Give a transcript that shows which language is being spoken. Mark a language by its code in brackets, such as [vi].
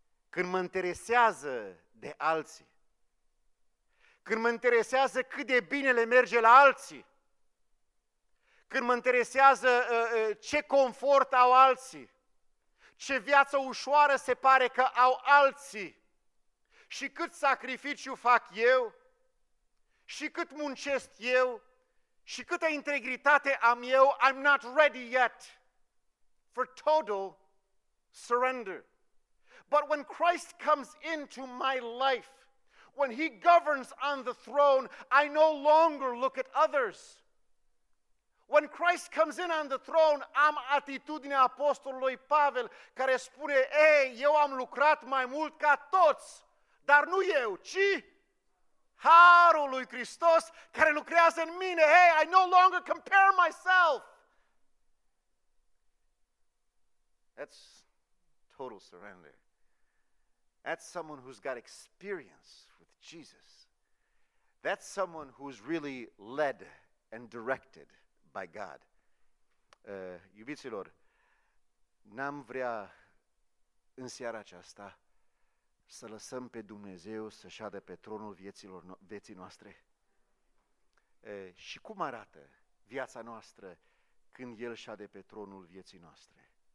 [ro] Când mă interesează de alții, când mă interesează cât de bine le merge la alții, când mă interesează ce confort au alții, ce viață ușoară se pare că au alții și cât sacrificiu fac eu și cât muncesc eu și câtă integritate am eu, [en] I'm not ready yet for total surrender. But when Christ comes into my life, when he governs on the throne, I no longer look at others. When Christ comes in on the throne, [ro] am atitudinea apostolului Pavel care spune, ei, eu am lucrat mai mult ca toți, dar nu eu, ci Harul lui Hristos care lucrează în mine. [en] Hey, I no longer compare myself. That's total surrender. That's someone who's got experience with Jesus. That's someone who's really led and directed by God. [ro] Iubiților, n-am vrea în seara aceasta să lăsăm pe Dumnezeu să șadă pe tronul vieții noastre? Și cum arată viața noastră când El șade pe tronul vieții noastre?